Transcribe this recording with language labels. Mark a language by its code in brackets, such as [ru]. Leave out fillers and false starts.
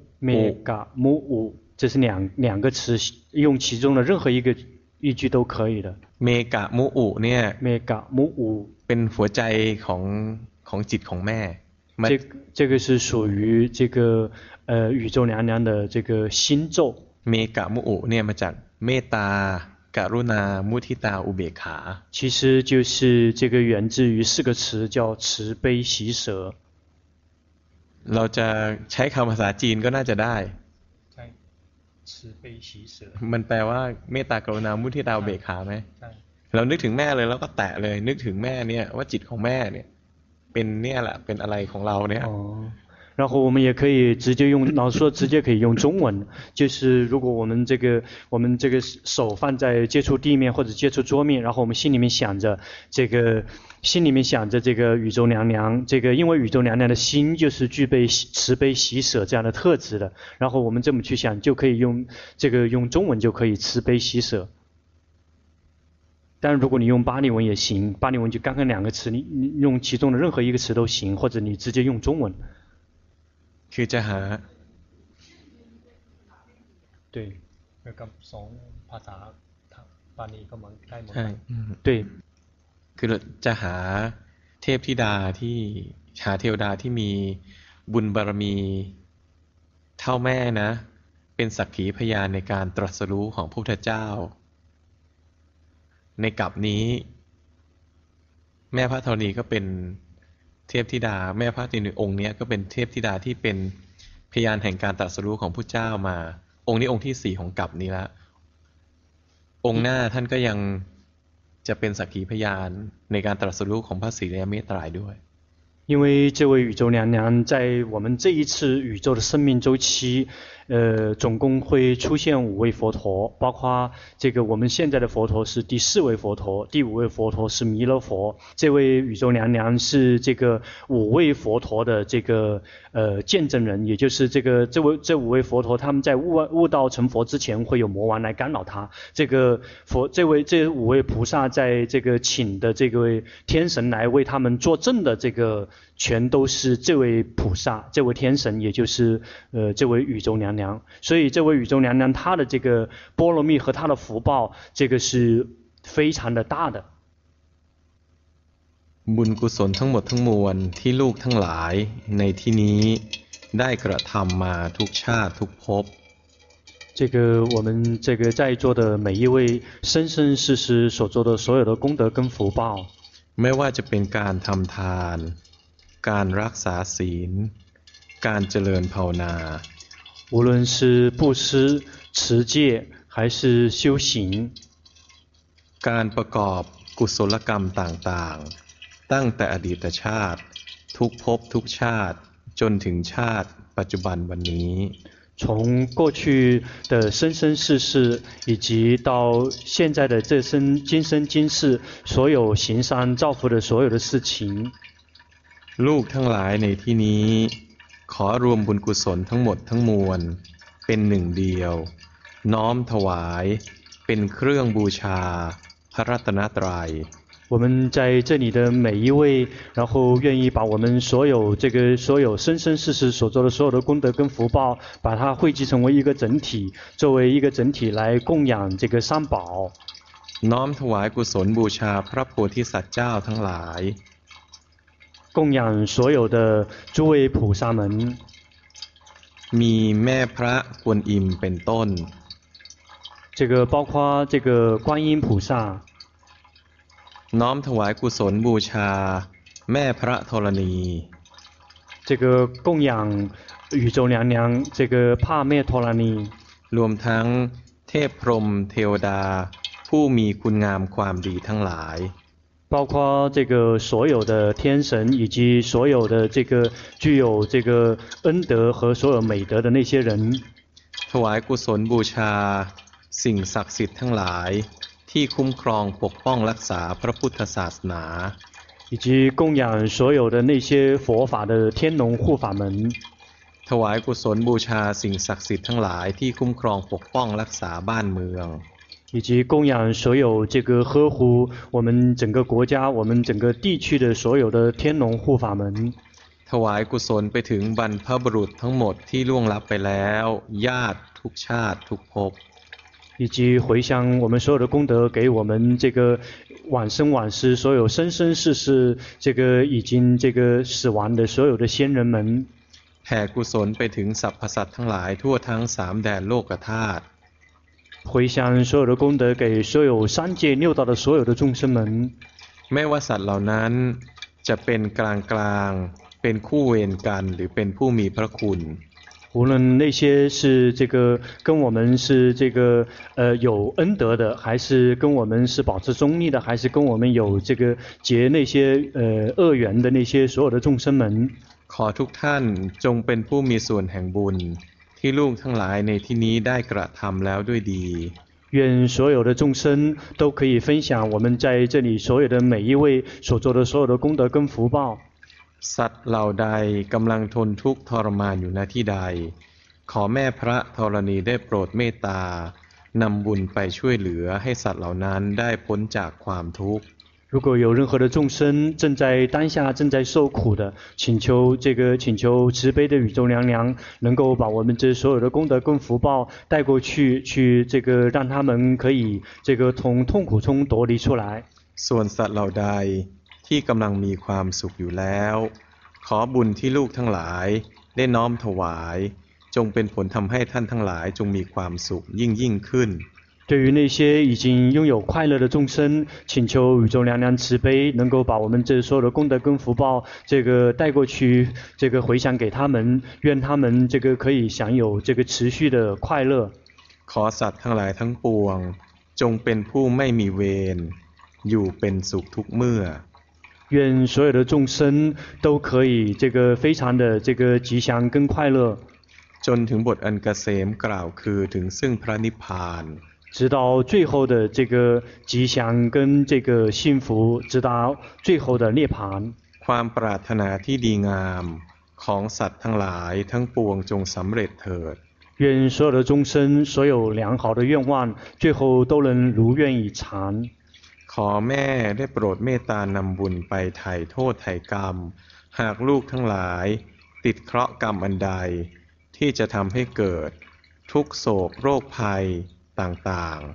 [zh] เมกะมุอุ这是两个词用其中的任何一句都可以的 [th] เมกะมุอุเนี่ย เมกะมุอุ เป็นหัวใจของจิตของแม่ [zh] 这个是属于这个宇宙娘娘的这个心咒。 [th] เมกะมุอุเนี่ยมาจากเมตตากรุณามุทิตาอุเบกขา。 [zh] 其实就是这个源自于四个词叫慈悲喜舍。 [th] เราจะใช้คำภาษาจีนก็น่าจะได้。 ใช่慈悲喜舍。 มันแปลว่าเมตตากรุณามุทิตาอุเบกขาไหม ใช่。 เรานึกถึงแม่เลยแล้วก็แตะเลยนึกถึงแม่เนี่ยว่าจิตของแม่เนี่ยเป็นเนี่ยแหละเป็นอะไรของเราเนี่ย [zh] 然后我们也可以直接用老师说直接可以用中文就是如果我们这个手放在接触地面或者接触桌面然后我们心里面想着这个心里面想着这个宇宙娘娘这个因为宇宙娘娘的心就是具备慈悲喜舍这样的特质的然后我们这么去想就可以用这个用中文就可以慈悲喜舍但如果你用巴利文也行巴利文就刚刚两个词你用其中的任何一个词都行或者你直接用中文 [th] คือจะหา [zh] 对 [th] กับสองภาษาปาลีก็เหมือนได้หมด ใช่ [zh] 对 [th] คือจะหาเทพธิดาที่หาเทวดาที่มีบุญบารมีเท่าแม่นะเป็นสักขีพยานในการตรัสรู้ของพระพุทธเจ้า ในกับนี้แม่พระธรณีก็เป็นเทพธิดาแม่พระธรณีองค์นี้ก็เป็นเทพธิดาที่เป็นพยานแห่งการตรัสรู้ของพุทธเจ้ามาองค์นี้องค์ที่4ของกับนี้ละองค์หน้าท่านก็ยังจะเป็นสักขีพยานในการตรัสรู้ของพระศรีอริยเมตตาด้วย [zh] 因为这位宇宙娘娘在我们这一次宇宙的生命周期，总共会出现五位佛陀，包括这个我们现在的佛陀是第四位佛陀，第五位佛陀是弥勒佛，这位宇宙娘娘是这个五位佛陀的这个见证人，也就是这五位佛陀他们在悟道成佛之前会有魔王来干扰他，这五位菩萨在这个请的这个天神来为他们作证的这个。全都是这位菩萨这位天神也就是这位宇宙娘娘所以这位宇宙娘娘她的这个波罗蜜和她的福报这个是非常的大的 [th] บุญกุศลทั้งหมดทั้งมวลที่ลูกทั้งหลายในที่นี้ได้กระทำมาทุกชาติทุกภพ [zh] 这个我们这个在座的每一位生生世世所做的所有的功德跟福报 [th] ไม่ว่าจะเป็นการทำทานการรักษาศีลการเจริญภาวนา [zh] 无论是布施持戒还是修行 [th] การประกอบกุศลกรรมต่างๆตั้งแต่อดีตชาติทุกภพทุกชาติจนถึงชาติปัจจุบันวันนี้ [zh] 从过去的生生世世以及到现在的这生今生今世所有行善造福的所有的事情 [th] ลูกทั้งหลายในที่นี้ขอรวมบุญกุศลทั้งหมดทั้งมวลเป็นหนึ่งเดียวน้อมถวายเป็นเครื่องบูชาพระรัตนตรัย [zh] 我们在这里的每一位然后愿意把我们所有这个所有生生世世所做的所有的功德跟福报把它汇集成为一个整体作为一个整体来供养这个三宝 [th] น้อมถวายกุศลบูชาพระโพธิสัตว์เจ้าทั้งหลาย [zh] 供养所有的诸位菩萨们 [th] มีแม่พระกวนอิมเป็นต้น [zh] 这个包括这个观音菩萨 [th] น้อมถวายกุศลบูชาแม่พระธรณี [zh] 这个供养宇宙娘娘这个帕妹陀罗尼 [th] รวมทั้งเทพพรหมเทวดาผู้มีคุณงามความดีทั้งหลาย [zh] 包括这个所有的天神以及所有的这个具有这个恩德和所有美德的那些人 [th] ถวายกุศลบูชาสิ่งศักดิ์สิทธิ์ทั้งหลายที่คุ้มครองปกป้องรักษาพระพุทธศาสนา [zh] 以及供养所有的那些佛法的天龙护法门 [th] ถวายกุศลบูชาสิ่งศักดิ์สิทธิ์ทั้งหลายที่คุ้มครองปกป้องรักษาบ้านเมือง [zh] 以及供养所有这个呵护我们整个国家我们整个地区的所有的天龙护法门 [th] ถวายกุศลไปถึงบรรพบุรุษทั้งหมดที่ล่วงลับไปแล้วญาติทุกชาติทุกภพ [zh] 以及回向我们所有的功德给我们这个往生往世所有生生世世这个已经这个死亡的所有的先人们 [th] แผ่กุศลไปถึงสรรพสัตว์ทั้งหลายทั่วทั้งสามแดนโลกธาตุ [zh] 回向所有的功德给所有三界六道的所有的众生们 [th] ไม่ว่าสัตว์เหล่านั้นจะเป็นกลางกลางเป็นคู่เวรกันหรือเป็นผู้มีพระคุณ [zh] 无论那些是这个跟我们是这个有恩德的还是跟我们是保持中立的还是跟我们有这个结那些恶缘的那些所有的众生们 [th] ขอทุกท่านจงเป็นผู้มีส่วนแห่งบุญที่ลูกทั้งหลายในที่นี้ได้กระทำแล้วด้วยดี [zh] 愿所有的众生都可以分享我们在这里所有的每一位所做的所有的功德跟福报 [th] สัตว์เหล่าใดกำลังทนทุกข์ทรมานอยู่ณที่ใดขอแม่พระธรณีได้โปรดเมตตานำบุญไปช่วยเหลือให้สัตว์เหล่านั้นได้พ้นจากความทุกข์ [zh] 如果有任何的众生正在当下正在受苦的，请求这个请求慈悲的宇宙娘娘能够把我们这所有的功德跟福报带过去，去这个让他们可以这个从痛苦中夺离出来。 [th] ส่วนสัตว์เหล่าใดที่กำลังมีความสุขอยู่แล้วขอบุญที่ลูกทั้งหลายได้น้อมถวายจงเป็นผลทำให้ท่านทั้งหลายจงมีความสุขยิ่งขึ้น [zh] 对于那些已经拥有快乐的众生，请求宇宙娘娘慈悲，能够把我们这所有的功德跟福报，这个带过去，这个回向给他们，愿他们这个可以享有这个持续的快乐。 [th] ขอสัตว์ทั้งหลายทั้งปวงจงเป็นผู้ไม่มีเวรอยู่เป็นสุขทุกเมื่อ [zh] 愿所有的众生都可以这个非常的这个吉祥跟快乐。 [th] จนถึงบทอันเกษมกล่าวคือถึงซึ่งพระนิพพาน [zh] 直到最后的这个吉祥跟这个幸福，直到最后的涅槃。 [th] ความปรารถนาที่ดีงามของสัตว์ทั้งหลายทั้งปวงจงสำเร็จเถิด。 [zh] 愿所有的众生所有良好的愿望，最后都能如愿以偿。 [th] ขอแม่ได้โปรดเมตตานำบุญไปไถ่โทษไถ่กรรมหากลูกทั้งหลายติดเคราะห์กรรมอันใดที่จะทำให้เกิดทุกโศกโรคภัยต่าง